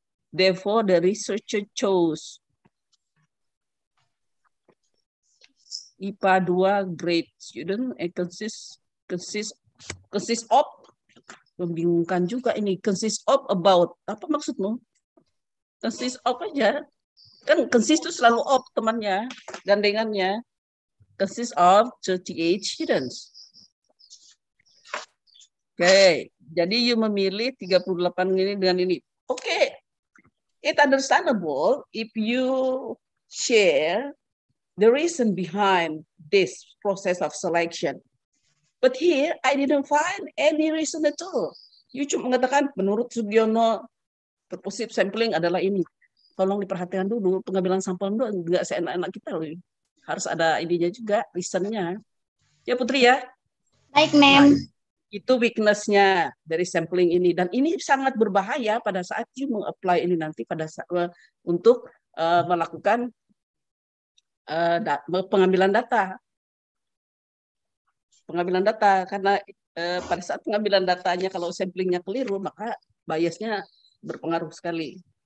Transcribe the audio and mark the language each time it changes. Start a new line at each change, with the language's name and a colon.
English: Therefore, the researcher chose IPA 2 grade student and consists of,
Indonesian: membingungkan juga ini,
English: consists of about,
Indonesian: apa maksudmu?
English: Consists of aja.
Indonesian: Kan consists itu selalu of temannya, gandengannya.
English: Consists of 38 students.
Indonesian: Okay. Jadi you memilih 38 ini dengan ini. Okay.
English: It understandable if you share the reason behind this process of selection. But here, I didn't find any reason at all.
Indonesian: You cuma mengatakan, menurut Sugiono, purposive sampling adalah ini. Tolong diperhatikan dulu, pengambilan sampel itu enggak seenak-enak kita. Loh. Harus ada ininya juga, reason-nya. Ya Putri ya? Baik, ma'am. Itu weakness-nya dari sampling ini. Dan ini sangat berbahaya pada saat you meng-apply ini nanti pada saat, untuk melakukan pengambilan data karena pada saat pengambilan datanya kalau samplingnya keliru maka biasnya berpengaruh sekali.